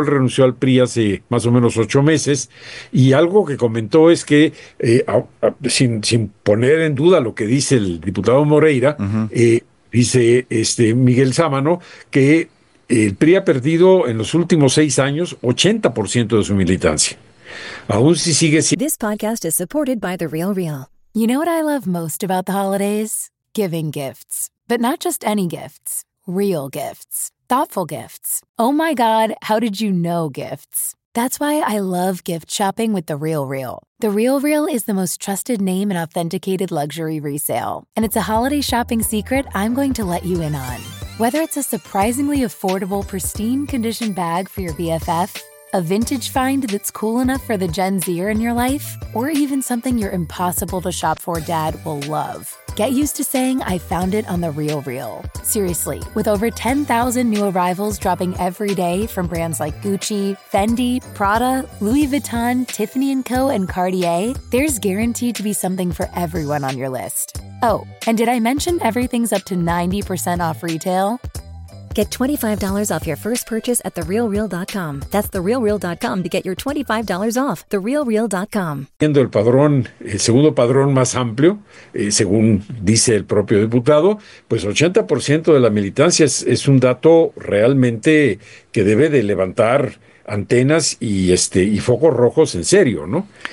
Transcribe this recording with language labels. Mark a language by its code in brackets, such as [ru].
[es] Él renunció al PRI hace más o menos 8 meses, y algo que comentó es que, sin poner en duda lo que dice el diputado Moreira, uh-huh. Dice Miguel Sámano que el PRI ha perdido en los últimos 6 años 80% de su militancia. Aún si sigue siendo... [en] This podcast is supported by The Real Real. You know what I love most about the holidays? Giving gifts. But not just any gifts. real gifts. Thoughtful gifts. Oh my God, how did you know gifts? That's why I love gift shopping with The RealReal. The RealReal is the most trusted name in authenticated luxury resale. And it's a holiday shopping secret I'm going to let you in on. Whether it's a surprisingly affordable, pristine condition bag for your BFF, a vintage find that's cool enough for the Gen Zer in your life, or even something your impossible to shop for dad will love. Get used to saying, I found it on The RealReal. Seriously, with over 10,000 new arrivals dropping every day from brands like Gucci, Fendi, Prada, Louis Vuitton, Tiffany & Co., and Cartier, there's guaranteed to be something for everyone on your list. Oh, and did I mention everything's up to 90% off retail? Get $25 off your first purchase at TheRealReal.com. That's TheRealReal.com to get your $25 off. TheRealReal.com. [es] Viendo el padrón, el segundo padrón más amplio, según dice el propio diputado, pues 80% de la militancia es un dato realmente que debe de levantar antenas y focos rojos en serio, ¿no?